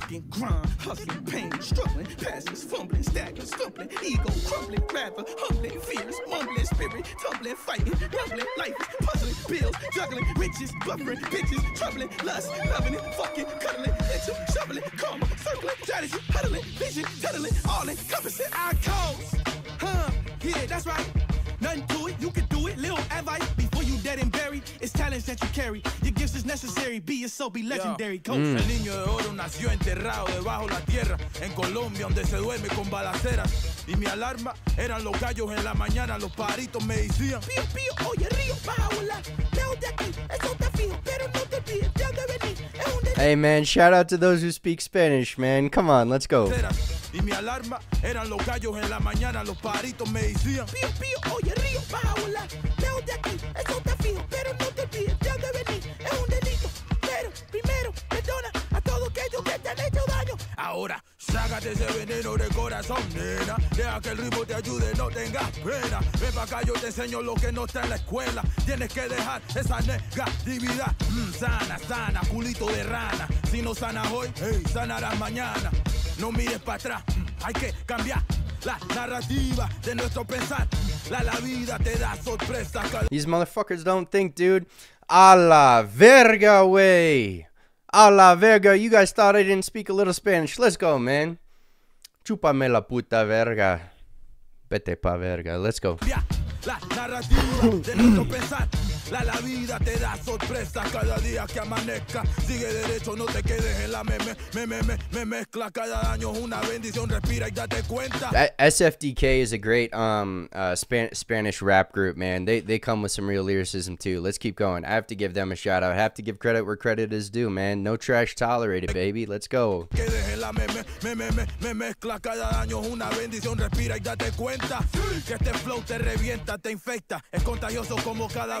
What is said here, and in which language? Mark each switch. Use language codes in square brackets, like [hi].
[en] Grind, hustling, pain, struggling, passes, fumbling, staggering, stumbling, ego crumbling, rather humbling, fears, mumbling, spirit, tumbling, fighting, rumbling, life is puzzling, bills, juggling, riches, buffering, bitches, troubling, lust, loving it, fucking, cuddling, itching, shoveling, karma, circling, strategy, huddling, vision, tuddling, all encompassing, I cause, huh, yeah, that's right, nothing to it, you can do it, little advice, before you dead and buried, it's talents that you carry, your gifts is necessary, be yourself, be legendary, coach. [es] El niño de oro nació enterrado debajo la tierra, en Colombia, donde se duerme con balaceras, y mi alarma eran los gallos en la mañana, los pajaritos me decían, pío, pío, oye, río, baja a volar, lejos de aquí, eso está fijo, pero no te olvides, de donde vení. [en] Hey man, shout out to those who speak Spanish, man. Come on, let's go. [es] Y mi alarma eran los gallos en la mañana, los pajaritos me decían. Pío, pío, oye, río, baja a volar. Lejos de aquí, eso está fijo, pero no te olvides de dónde vení. Es un delito, pero primero, perdona a todos aquellos que te han hecho daño. Ahora, sácate ese veneno de corazón, nena. Deja que el ritmo te ayude, no tengas pena. Ven pa' acá, yo te enseño lo que no está en la escuela. Tienes que dejar esa negatividad. Sana, sana, culito de rana. Si no sanas hoy, hey, sanarás mañana. No mires pa' atrás, hay que cambiar la narrativa de nuestro pensar. La vida te da sorpresa. [en] These motherfuckers don't think, dude. [es] A la verga, wey. A la verga, [en] you guys thought I didn't speak a little Spanish. Let's go, man. [es] Chúpame la puta verga. Vete pa verga. [en] Let's go. [es] La narrativa de nuestro pensar. La vida te da sorpresa cada día que amanezca. Sigue derecho, no te quedes en la me mezcla. Cada año es una bendición. Respira y date cuenta. [en] SFDK is a great Spanish rap group, man. They come with some real lyricism too. Let's keep going. I have to give them a shout out. I have to give credit where credit is due, man. No trash tolerated, baby. Let's go. [es] Quedes en la me mezcla. Cada año es una bendición. Respira y date cuenta. Que este flow te revienta, te infecta. Es contagioso como cada